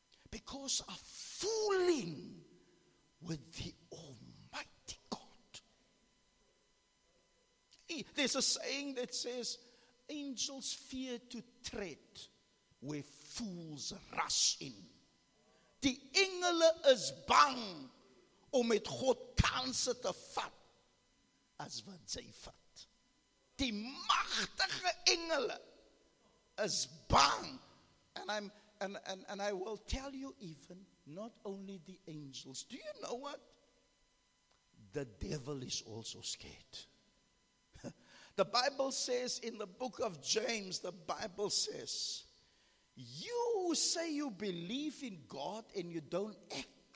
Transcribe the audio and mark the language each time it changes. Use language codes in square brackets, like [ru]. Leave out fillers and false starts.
[en] Because of fooling with the Almighty God. There's a saying that says, angels fear to tread where fools rush in. [af] Die engele is bang om met God kansen te vat as wat zij vat. Die machtige engele is bang. [en] And I will tell you even, not only the angels. Do you know what? The devil is also scared. The Bible says in the book of James, the Bible says, you say you believe in God and you don't act.